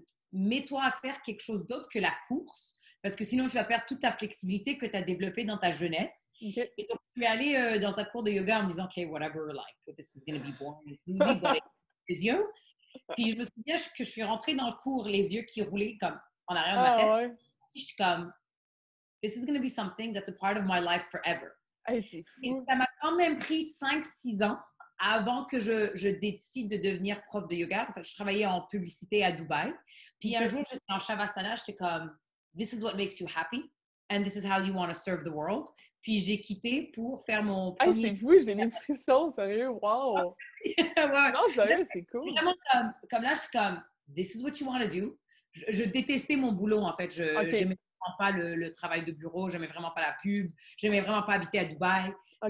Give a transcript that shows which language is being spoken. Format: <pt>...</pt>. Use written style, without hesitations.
<fr>mets-toi à faire quelque chose d'autre que la course parce que sinon tu vas perdre toute ta flexibilité que tu as développée dans ta jeunesse, okay, et donc je suis allée dans un cours de yoga en me disant</fr> <en>okay, whatever, like this is gonna be boring.</en> <fr>Les yeux. Puis je me souviens que je suis rentrée dans le cours, les yeux qui roulaient comme en arrière de ma tête. Ouais. Je suis comme,</fr> <en>this is going to be something that's a part of my life forever.</en> <fr>Hey, c'est fou. Et ça m'a quand même pris 5-6 ans avant que je décide de devenir prof de yoga. Enfin, je travaillais en publicité à Dubaï. Puis un jour, j'étais en Shavasana, j'étais comme,</fr> <en>this is what makes you happy and this is how you want to serve the world.</en> <fr>Puis j'ai quitté pour faire mon premier... Ah, c'est fou, j'ai des frissons, sérieux, wow! Ouais. Non, sérieux, c'est cool! Vraiment, comme là, je suis comme,</fr> <en>this is what you want to do.</en> <fr>Je détestais mon boulot, en fait. Je n'aimais okay, vraiment pas le travail de bureau, je n'aimais vraiment pas la pub, je n'aimais vraiment pas habiter à Dubaï. Okay.</fr>